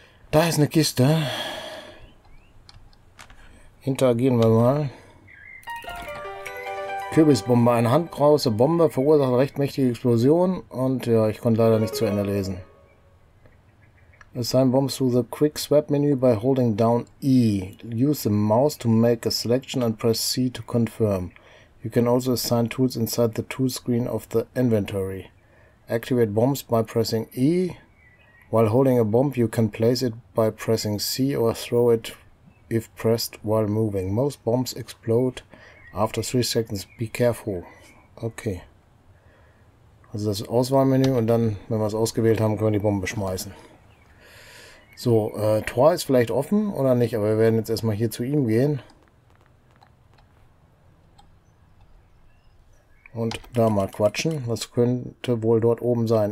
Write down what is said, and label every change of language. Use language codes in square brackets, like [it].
[de] Da ist eine Kiste. Interagieren wir mal. Kürbisbombe. Eine handgroße Bombe verursacht recht mächtige Explosion. Und ja, ich konnte leider nicht zu Ende lesen. [en] Assign bombs to the quick swap menu by holding down E. Use the mouse to make a selection and press C to confirm. You can also assign tools inside the tool screen of the inventory. Activate bombs by pressing E. While holding a bomb, you can place it by pressing C or throw it if pressed while moving. Most bombs explode after 3 seconds. Be careful. Okay. [de] Also das Auswahlmenü und dann, wenn wir es ausgewählt haben, können wir die Bombe schmeißen. So, Tor ist vielleicht offen oder nicht, aber wir werden jetzt erstmal hier zu ihm gehen. Und da mal quatschen. Was könnte wohl dort oben sein?